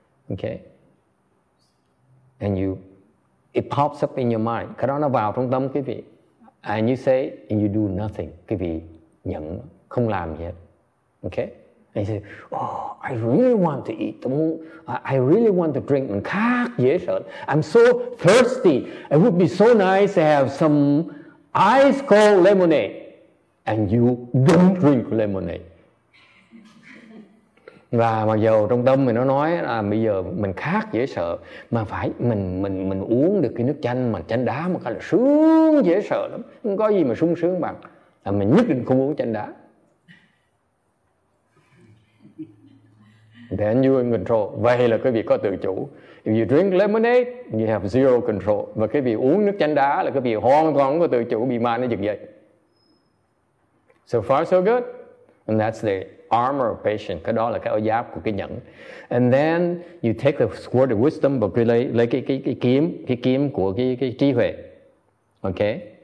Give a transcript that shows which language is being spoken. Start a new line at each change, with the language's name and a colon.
English: Okay, and you, it pops up in your mind,
Vietnamese: cái đó nó vào trong tâm quý vị,
English: and you say and you do nothing,
Vietnamese: quý vị nhận không làm gì hết.
English: Okay. And he said, oh, I really want to eat. I really want to drink. I'm so thirsty. It would be so nice to have some ice cold lemonade. And you don't drink lemonade.
Vietnamese: Và mặc dù trong tâm mình nó nói là bây giờ mình khát dễ sợ, mà phải mình uống được cái nước chanh, mà chanh đá một cái là sướng dễ sợ lắm. Không có gì mà sung sướng bằng. Là mình nhất định không uống chanh đá.
English: Then you in control.
Vietnamese: Vậy là quý vị có tự chủ.
English: If you drink lemonade, you have zero control.
Vietnamese: Và quý vị uống nước chanh đá là quý vị hoàn toàn có tự chủ, bị ma nó giật dậy.
English: So far so good. And that's the armor of patience.
Vietnamese: Cái đó là cái áo giáp của cái nhẫn.
English: And then you take the sword of wisdom,
Vietnamese: và quý lấy cái kiếm của cái trí huệ.
English: Okay.